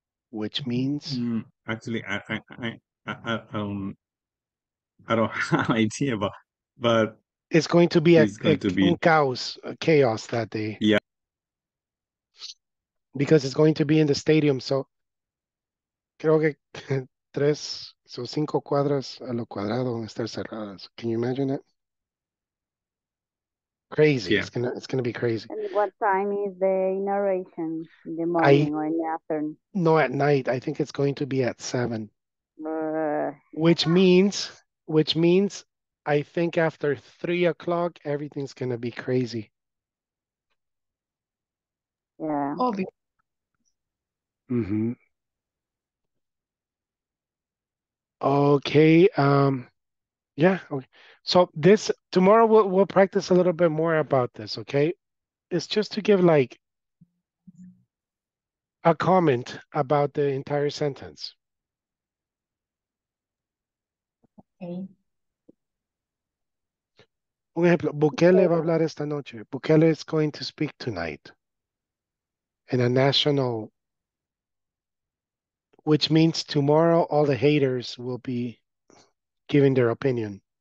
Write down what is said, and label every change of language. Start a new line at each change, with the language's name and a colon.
English: Which means actually, I don't have an idea, but it's going to be chaos that day. Yeah, because it's going to be in the stadium.
Spanish: So, creo que tres, so cinco cuadras a lo cuadrado van a estar cerradas.
English: Can you imagine it? Crazy. Yeah. It's gonna be crazy. And what time is the inauguration? In the morning or in the afternoon? No, at night. I think it's going to be at 7. Which means I think after 3 o'clock everything's gonna be crazy. Yeah. Oh, mm-hmm. Okay. Yeah, okay. So this tomorrow we'll practice a little bit more about this, okay? It's just to give like a comment about the entire sentence. Okay.
Spanish: Un ejemplo, Bukele va a hablar esta noche.
English: Bukele is going to speak tonight in a national, which means tomorrow all the haters will be giving their opinion.